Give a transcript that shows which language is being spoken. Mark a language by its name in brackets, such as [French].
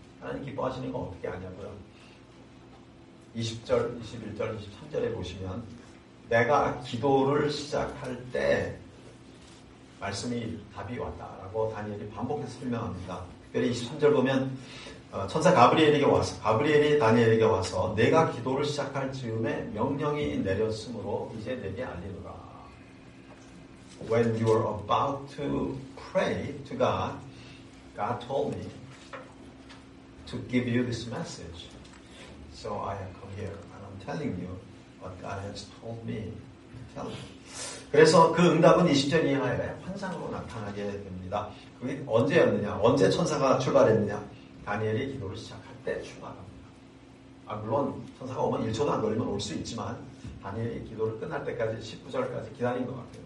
[Korean] 하나님 기뻐하시는 건 어떻게 아냐고요? 20절, 21절, 23절에 보시면 내가 기도를 시작할 때 말씀이 답이 왔다라고 다니엘이 반복해서 설명합니다. 특별히 23절 보면 천사 가브리엘에게 와서 가브리엘이 다니엘에게 와서 내가 기도를 시작할 즈음에 명령이 내렸으므로 이제 내게 알리노라. [English] When you are about to pray to God, God told me to give you this message. So I have come here and I'm telling you what God has told me to tell you. [Korean] 그래서 그 응답은 20절 이하에 환상으로 나타나게 됩니다. 그게 언제였느냐? 언제 천사가 출발했느냐? 다니엘이 기도를 시작할 때 출발합니다. 아, 물론 천사가 오면 1초도 안 걸리면 올 수 있지만 다니엘이 기도를 끝날 때까지 19절까지 기다린 것 같아요.